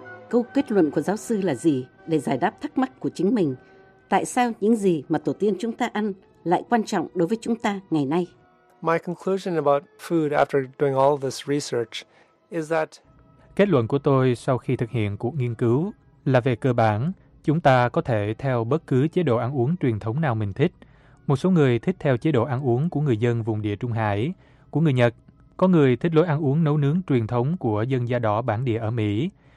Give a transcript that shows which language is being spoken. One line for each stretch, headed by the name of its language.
Vietnamese: Câu kết luận của giáo sư là gì để giải đáp thắc mắc của chính mình? Tại sao những gì mà tổ tiên chúng ta ăn lại quan trọng đối với chúng ta ngày nay?
English: My conclusion about food after doing all this research is that
Vietnamese: kết luận của tôi sau khi thực hiện cuộc nghiên cứu là về cơ bản, chúng ta có thể theo bất cứ chế độ ăn uống truyền thống nào mình thích. Một số người thích theo chế độ ăn uống của người dân vùng địa Trung Hải, của người Nhật. Có người thích lối ăn uống nấu nướng truyền thống của dân da đỏ bản địa ở Mỹ.